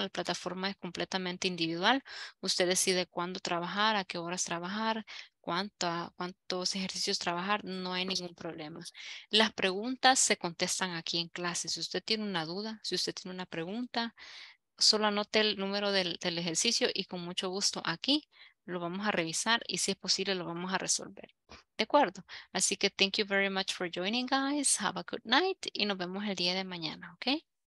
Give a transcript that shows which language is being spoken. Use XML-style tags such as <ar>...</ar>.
<es>La plataforma es completamente individual. Usted decide cuándo trabajar, a qué horas trabajar, cuántos ejercicios trabajar. No hay ningún problema. Las preguntas se contestan aquí en clase. Si usted tiene una duda, si usted tiene una pregunta, solo anote el número del ejercicio y con mucho gusto aquí lo vamos a revisar y si es posible lo vamos a resolver. De acuerdo. Así que</es> <en>thank you very much for joining, guys. Have a good night</en> <es>y nos vemos el día de mañana, ¿ok?</es>